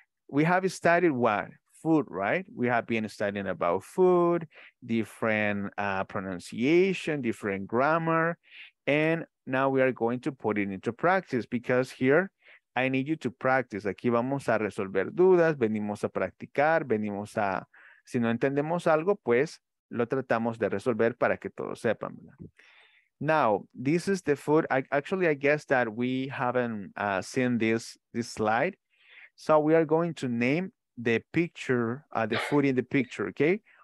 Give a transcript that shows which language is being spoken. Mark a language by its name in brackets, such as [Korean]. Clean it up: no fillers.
[English] We have studied what? Food, right? We have been studying about food, different pronunciation, different grammar, and now we are going to put it into practice because here, I need you to practice. [Spanish] Aquí vamos a resolver dudas, venimos a practicar, venimos a... Si no entendemos algo, pues lo tratamos de resolver para que todos sepan. [English] Now, this is the food. I guess that we haven't seen this slide. So we are going to name the picture, the food in the picture, okay?